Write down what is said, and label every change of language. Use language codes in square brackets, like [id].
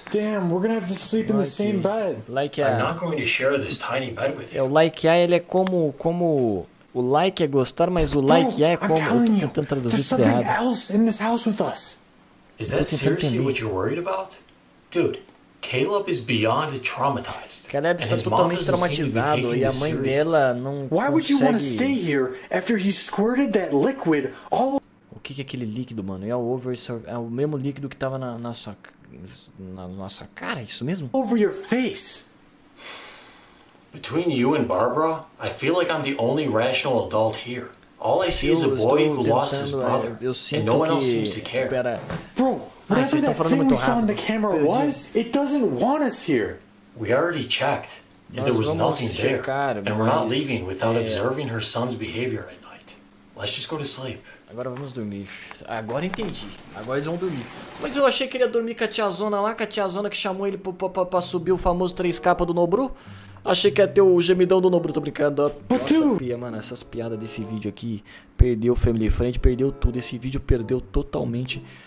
[en] Damn, we're gonna have to sleep in the same bed. Like I'm not going to share this tiny bed with you. [pt] O like a ele é como o like é gostar, mas o like a é como [en] I'm [pt] eu tô tentando traduzir tudo errado. [en] There's something else in this house with us. Is that seriously what you're worried about, dude? Caleb is beyond traumatized. [pt] Caleb está totalmente traumatizado e a mãe dela não consegue. [en] Why would you want to stay here after he squirted that liquid all? [pt] O que é aquele líquido, mano? É o mesmo líquido que tava na nossa cara, isso mesmo? [en] Over your face. Between you and Barbara, I feel like I'm the only rational adult here. All I see is a boy who lost his brother, and no one else seems to care. [pt] Pera. [en] Bro. Whatever that thing we saw on the camera was, it doesn't want us here. We already checked, and there was nothing there. And we're not leaving without observing her son's behavior at night. Let's just go to sleep. [pt] Agora vamos dormir. Agora entendi. Agora eles vão dormir. Mas eu achei que ele ia dormir com a tiazona lá, com a tiazona que chamou ele pra subir o famoso 3K do Nobru. Achei que ia ter o gemidão do Nobru, tô brincando. Nossa, mano, essas piadas desse vídeo aqui. Perdeu o Family Friend, perdeu tudo. Esse vídeo perdeu totalmente...